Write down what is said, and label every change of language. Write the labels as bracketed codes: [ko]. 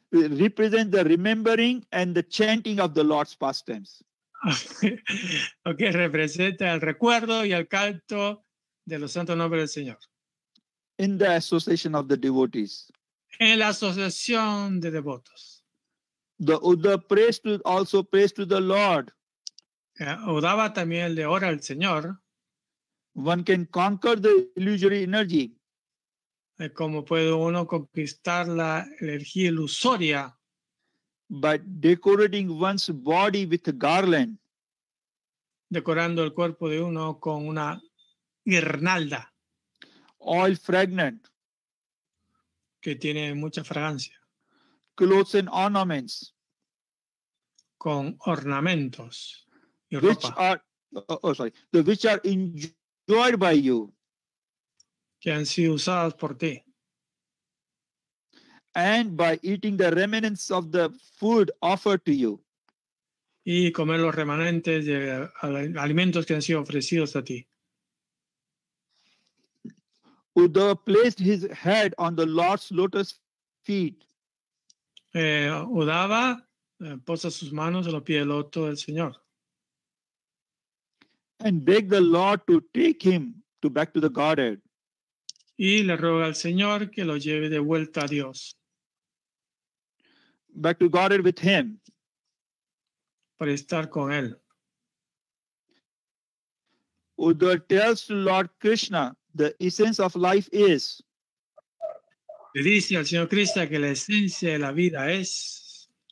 [en] Represent the remembering and the chanting of the Lord's pastimes. [es] Okay, representa el recuerdo y el canto de los santos nombres del Señor. [en] In the association of the devotees. [es] En la asociación de devotos. [en] The Uddhava prays to the Lord. [es] Uddhava también le ora al Señor. [en] One can conquer the illusory energy. [es] ¿Cómo puede uno conquistar la energía ilusoria? [en] By decorating one's body with a garland. [es] Decorando el cuerpo de uno con una guirnalda. [en] Oil fragrant. [es] Que tiene mucha fragancia. [en] Clothes and ornaments. [es] Con ornamentos y ropa. [en] Which are enjoyed by you. [es] Que han sido usados por ti. [en] and by eating the remnants of the food offered to you. [es] Y comer los remanentes de alimentos que han sido ofrecidos a ti. [en] Uddhava placed his head on the Lord's lotus feet. [es] Uddhava posa sus manos en los pies del loto del Señor. [en] And beg the Lord to take him to back to the Godhead. [es] Y le ruega al Señor que lo lleve de vuelta a Dios. [en] Back to Godhead with him. [es] Para estar con él. [en] Uddhava tells to Lord Krishna the essence of life is. [es] Le dice al Señor Krishna que la esencia de la vida es.